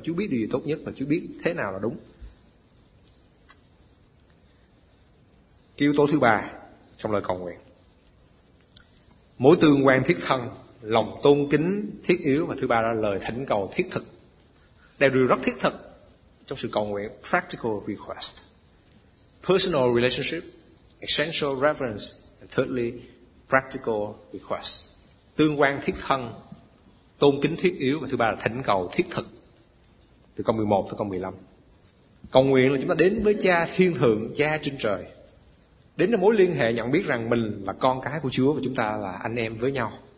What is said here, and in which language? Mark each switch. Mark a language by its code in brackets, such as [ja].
[vi] Chúa biết điều gì tốt nhất và Chúa biết thế nào là đúng. Cái yếu tố thứ ba trong lời cầu nguyện: mối tương quan thiết thân, lòng tôn kính thiết yếu, và thứ ba là lời thỉnh cầu thiết thực. Đây là điều rất thiết thực trong sự cầu nguyện. [en] Practical request, personal relationship, essential reverence, and thirdly, practical request. [vi] Tương quan thiết thân, tôn kính thiết yếu, và thứ ba là thỉnh cầu thiết thực. Từ câu 11 tới câu 15. Cầu nguyện là chúng ta đến với Cha Thiên Thượng, Cha trên trời, đến với mối liên hệ nhận biết rằng mình là con cái của Chúa và chúng ta là anh em với nhau.